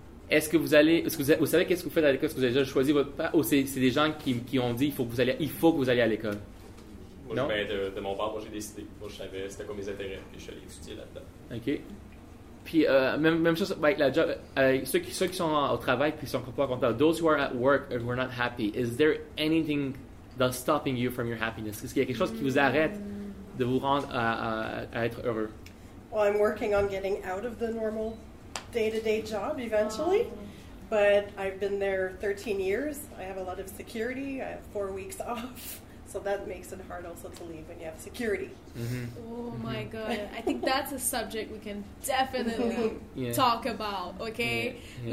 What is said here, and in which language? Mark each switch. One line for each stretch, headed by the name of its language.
French: Est-ce que vous allez, est-ce que vous, vous savez qu'est-ce que vous faites à l'école? Est-ce que vous avez déjà choisi votre père? Ou c'est des gens qui ont dit il faut que vous alliez à l'école? Moi, non? De mon père, moi, j'ai décidé. Moi, je savais, c'était comme mes intérêts. Puis, je suis allé étudier là-dedans. OK. Puis, même chose avec la job. Ceux qui sont au travail, puis sont pas contents.
English: Those who are at work and who are not happy, is there anything that's stopping you from your happiness?
French: Est-ce qu'il y a quelque chose qui vous arrête de vous rendre à être heureux?
English: Well, I'm working on getting out of the normal day-to-day job eventually, but I've been there 13 years. I have a lot of security. I have 4 weeks off, so that makes it hard also to leave when you have security. Mm-hmm. Oh, mm-hmm. My God. I think that's a subject we can definitely talk about, okay? Yeah.